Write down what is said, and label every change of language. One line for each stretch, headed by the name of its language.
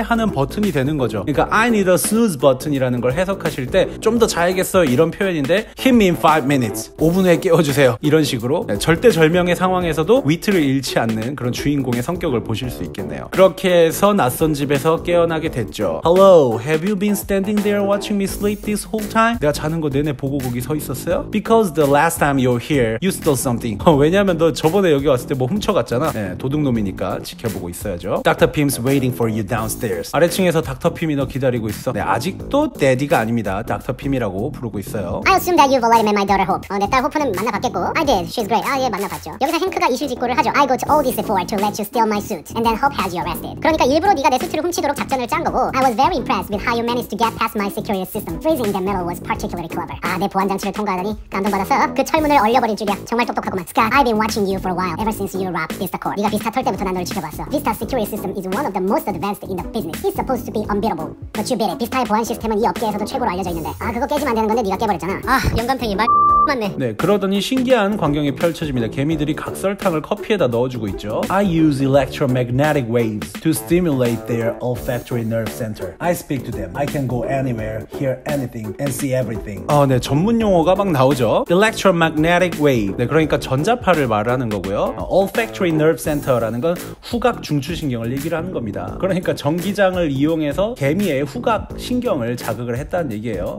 Korean: 하는 버튼이 되는 거죠. 그러니까
English: I need a snooze button
Korean: 이라는 걸 해석하실 때 좀 더 자야겠어 이런 표현인데
English: hit me in 5 minutes.
Korean: 5분 후에 깨워주세요. 이런 식으로 네, 절대절명의 상황에서도 위트를 잃지 않는 그런 주인공의 성격을 보실 수 있겠네요. 그렇게 해서 낯선 집에서 깨어나게 됐죠.
English: Hello, have you been standing there watching me sleep this whole time?
Korean: 내가 자는 거 내내 보고 거기 서 있었어요?
English: Because the last time you're here, you stole something.
Korean: 왜냐하면 너 저번에 여기 왔을 때 뭐 훔쳐갔잖아. 네, 도둑놈이니까 지켜보고 있어야죠.
English: Dr. Pim's waiting for you downstairs.
Korean: 아래층에서 닥터 핌이 너 기다리고 있어. 네, 아직도 데디가 아닙니다. 닥터 핌이라고 부르고 있어요.
English: I assume that you've already met my daughter Hope.
Korean: 내 딸 호프는 만나봤겠고.
English: I did. She's great.
Korean: 아, 예, 만나봤죠. 여기서 행크가 이실직고를 하죠.
English: I go to all this effort to let you steal my suit. And then Hope has you arrested.
Korean: 그러니까 일부러 네가 내 수트를 훔치도록 작전을 짠 거고.
English: I was very impressed with how you managed to get past my security system. Freezing the metal was particularly clever.
Korean: 아, 내 보안장치를 통과하다니 감동받아서 그 철문을 얼려버릴 줄이야. 정말 똑똑하구만.
English: Scott, I've been watching you for a while. Ever since you robbed Vista Corp.
Korean: 네가 비스타 털 때부터 난 너를 지켜봤어.
English: Vista's security system is one of the most advanced in the business. It's supposed to be unbeatable. But you beat it.
Korean: Vista의 보안 시스템은 이 업계에서도 최고로 알려져 있는데. 아, 그거 깨지면 안 되는 건데 네가 깨버렸잖아. 아, 영감탱이 말 네, 그러더니 신기한 광경이 펼쳐집니다. 개미들이 각설탕을 커피에다 넣어주고 있죠.
English: I use electromagnetic waves to stimulate their olfactory nerve center. I speak to them. I can go anywhere, hear anything, and see everything.
Korean: 네, 전문 용어가 막 나오죠.
English: Electromagnetic wave.
Korean: 네, 그러니까 전자파를 말하는 거고요. Olfactory nerve center라는 건 후각 중추신경을 얘기를 하는 겁니다. 그러니까 전기장을 이용해서 개미의 후각 신경을 자극을 했다는 얘기예요.